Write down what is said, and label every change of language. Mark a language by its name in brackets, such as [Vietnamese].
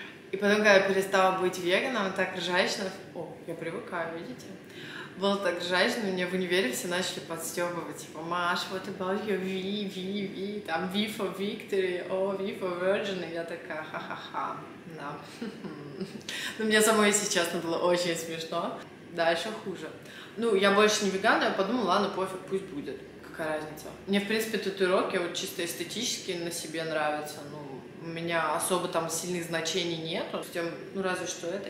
[Russian] И потом, когда я перестала быть веганом, так ржачно... О, я привыкаю, видите? Было так жаль, но мне в универе все начали подстёбывать. Типа, [English] Маш, what about your V, [Russian] там, [English] V for victory, oh, V for virgin. [Russian] И я такая, ха-ха-ха, да. Но мне самой, если честно, было очень смешно. Да, еще хуже. Ну, я больше не веган, я подумала, ладно, пофиг, пусть будет. Какая разница? Мне, в принципе, татуировки вот чисто эстетически на себе нравятся. Ну, у меня особо там сильных значений нету. Хотя, ну, разве что это.